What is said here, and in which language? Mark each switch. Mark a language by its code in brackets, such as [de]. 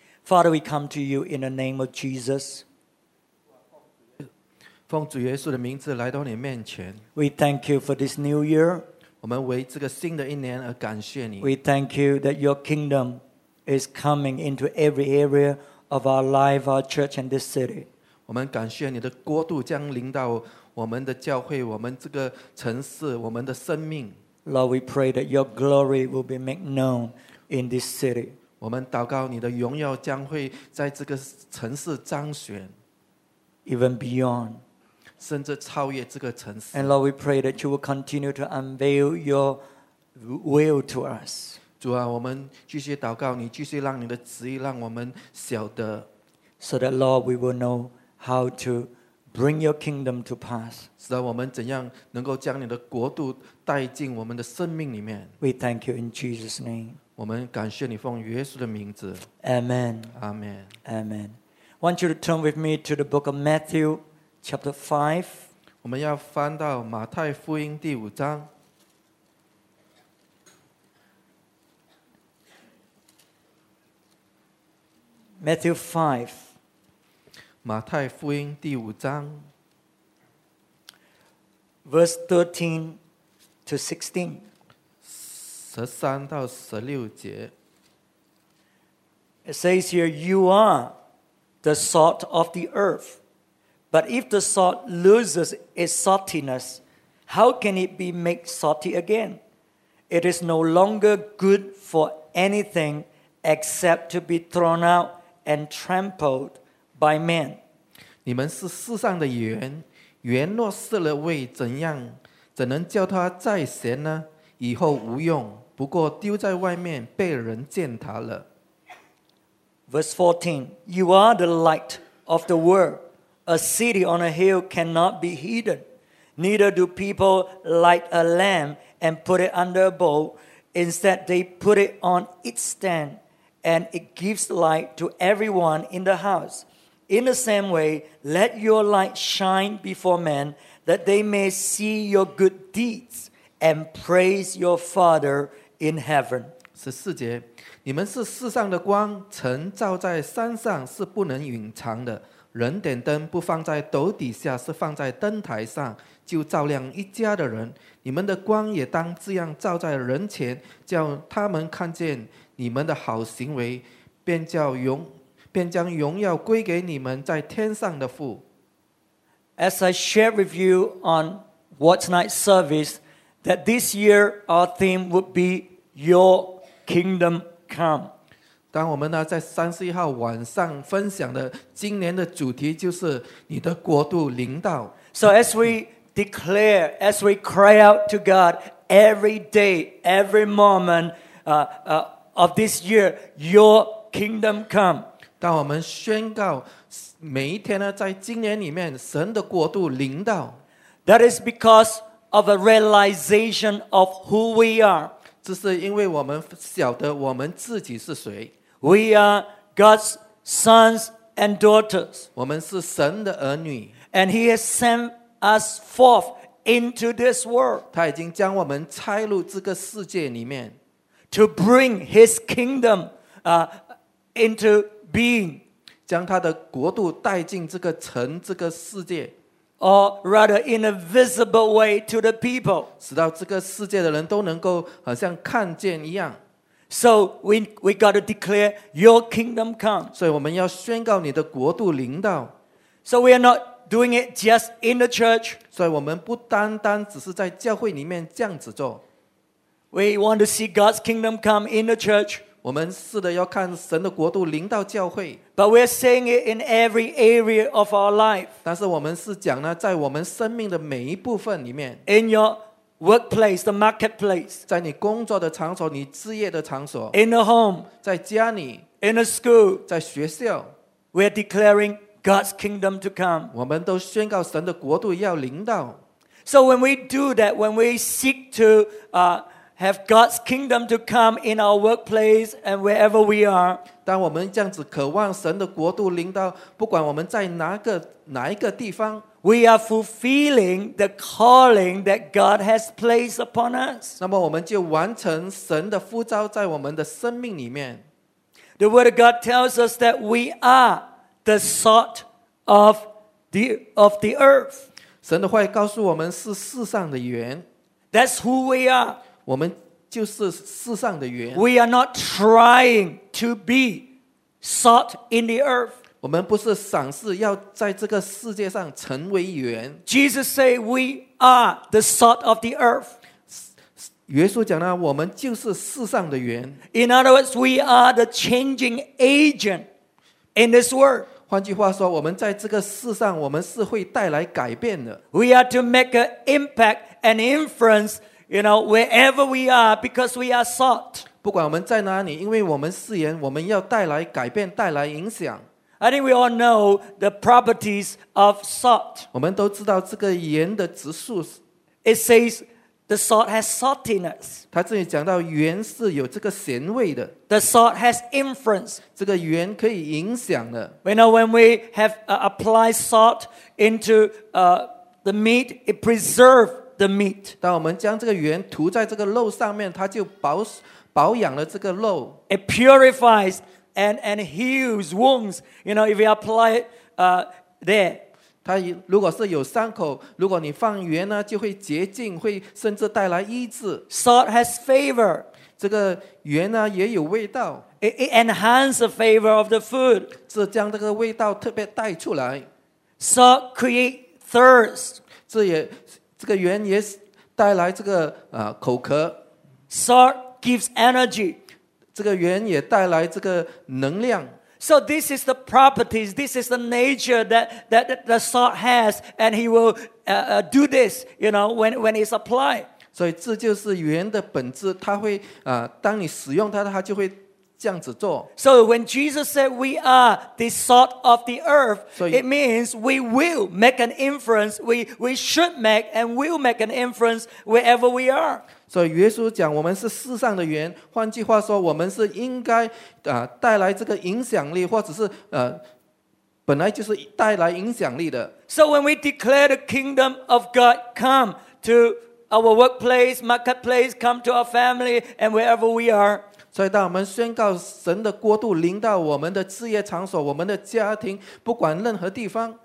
[en] Father, we come to you in the name of Jesus. [zh] 奉主耶稣的名字来到你面前。 [en] We thank you for this new year. [zh] 我们为这个新的一年而感谢你。 [en] We thank you that your kingdom is coming into every area of our life, our church, and this city. [zh] 我们感谢你的国度将临到我们的教会，我们这个城市，我们的生命。 [en] Lord, we pray that your glory will be made known in this city. [zh] 我们祷告你的荣耀将会在这个城市彰显。 [en] Even beyond. [zh] 甚至超越这个城市。 [en] And Lord, we pray that you will continue to unveil your will to us. [zh] 主啊，我们继续祷告你，继续让你的旨意让我们晓得。 [en] So that, Lord, we will know how to bring your kingdom to pass. [zh] 使得我们怎样能够将你的国度带进我们的生命里面。 [en] We thank you in Jesus' name. [zh] 我们感谢你奉耶稣的名字。 [en] Amen. Amen. Amen. I want you to turn with me to the book of Matthew, chapter 5. [zh] 我们要翻到马太福音第五章。 [en] Matthew 5. [zh] 马太福音第五章。 [en] Verse 13 to 16. [zh] 13到16节。 [en] It says here, you are the salt of the earth. But if the salt loses its saltiness, how can it be made salty again? It is no longer good for anything except to be thrown out and trampled by men. [zh] 你们是世上的盐，盐若失了味，怎能叫它再咸呢？以后无用，不过丢在外面被人践踏了。 [en] Verse 14, you are the light of the world. A city on a hill cannot be hidden. Neither do people light a lamp and put it under a bowl. Instead, they put it on its stand, and it gives light to everyone in the house. In the same way, let your light shine before men, that they may see your good deeds and praise your Father in heaven. [zh] 14节，你们是世上的光，城照在山上是不能隐藏的。人点灯不放在斗底下，是放在灯台上，就照亮一家的人。你们的光也当这样照在人前，叫他们看见你们的好行为，便将荣耀归给你们在天上的父。 [en] As I shared with you on what night service, that this year our theme would be your kingdom come. [zh] 当我们呢在31号晚上分享的今年的主题就是你的国度临到。 [en] So as we declare, as we cry out to God every day, every moment of this year, your kingdom come. [zh] 当我们宣告每一天呢在今年里面神的国度临到。 [en] That is because of a realization of who we are. [zh] 这是因为我们晓得我们自己是谁。 [en] We are God's sons and daughters. [zh] 我们是神的儿女。 [en] And He has sent us forth into this world. [zh] 他已经将我们差入这个世界里面。 [en] To bring His kingdom into being. [zh] 将他的国度带进这个城这个世界。 [en] Or rather, in a visible way to the people, [zh] 使到这个世界的人都能够好像看见一样。 [en] So we got to declare your kingdom come. [zh] 所以我们要宣告你的国度临到。 [en] So we are not doing it just in the church. [zh] 所以我们不单单只是在教会里面这样子做。 [en] We want to see God's kingdom come in the church. [zh] 我们试着要看神的国度临到教会。 [en] But we're saying it in every area of our life. [zh] 但是我们是讲呢，在我们生命的每一部分里面。 [en] In your workplace, the marketplace. [zh] 在你工作的场所，你置业的场所。 [en] In the home. [zh] 在家里。 [en] In the school. [zh] 在学校。 [en] We're declaring God's kingdom to come. [zh] 我们都宣告神的国度要临到。 [en] So when we do that, when we seek to have God's kingdom to come in our workplace and wherever we are. [zh] 当我们这样子渴望神的国度临到，不管我们在哪一个地方。 [en] We are fulfilling the calling that God has placed upon us. [zh] 那么我们就完成神的呼召在我们的生命里面。 [en] The word of God tells us that we are the salt of the earth. [zh] 神的话语告诉我们是世上的盐。 [en] That's who we are. [zh] 我们就是世上的盐。 [en] We are not trying to be salt in the earth. [zh] 我们不是想是要在这个世界上成为盐。 [en] Jesus said we are the salt of the earth. [zh] 耶稣讲了，我们就是世上的盐。 [en] In other words, we are the changing agent in this world. [zh] 换句话说，我们在这个世上，我们是会带来改变的。 [en] We are to make an impact and influence, you know, wherever we are, because we are salt. [zh] 不管我们在哪里，因为我们是盐，我们要带来改变，带来影响。 [en] I think we all know the properties of salt. [zh] 我们都知道这个盐的质素。 [en] It says. The salt has saltiness. [zh] 他这里讲到盐是有这个咸味的。 [en] The salt has influence. [zh] 这个盐可以影响的。 [en] You know, when we have applied salt into the meat, it preserves the meat. [zh] 当我们将这个盐涂在这个肉上面，它就保养了这个肉。 [en] It purifies and heals wounds. You know, if we apply it there. [zh] 它如果是有伤口，如果你放盐呢，就会洁净，会甚至带来医治。 [en] Salt has flavor. [zh] 这个盐呢也有味道。 [en] It enhances the flavor of the food. [zh] 这将这个味道特别带出来。 [en] Salt create thirst. [zh] 这个盐也带来这个口渴。 [en] Salt gives energy. [zh] 这个盐也带来这个能量。 [en] So this is the properties, this is the nature that the salt has, and he will do this, you know, when it's applied. [zh] 所以这就是盐的本质，它会当你使用它，它就会这样子做。 [en] So when Jesus said we are the salt of the earth, it means we will make an influence, we should make and will make an influence wherever we are. [zh] 所以耶稣讲我们是世上的盐，换句话说我们是应该带来这个影响力，或者是本来就是带来影响力的。 [en] So when we declare the kingdom of God come to our workplace, marketplace, come to our family and wherever we are. [zh] 所以当我们宣告神的国度临到我们的事业场所，我们的家庭，不管任何地方。